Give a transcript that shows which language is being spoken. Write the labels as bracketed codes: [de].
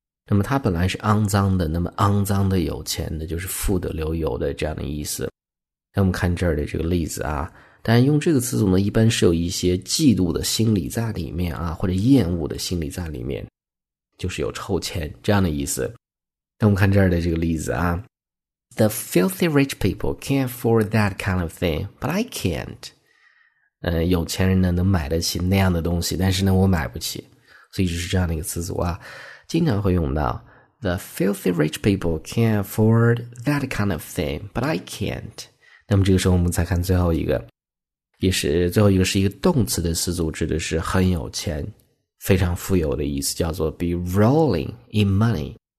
[zh] 那么它本来是肮脏的，那么肮脏的、有钱的，就是富得流油的这样的意思。那我们看这儿的这个例子啊，当然用这个词组呢，一般是有一些嫉妒的心理在里面啊，或者厌恶的心理在里面，就是有臭钱这样的意思。那我们看这儿的这个例子啊 [en] ，The filthy rich people can't afford that kind of thing, but I can't。 [zh] 有钱人呢能买得起那样的东西，但是呢我买不起，所以就是这样的一个词组啊，经常会用到。 [en] The filthy rich people can't afford that kind of thing, but I can't。 [zh] 那么这个时候我们再看最后一个。也是最后一个是一个动词的词组，指的是很有钱，非常富有的意思，叫做 [en] be rolling in money。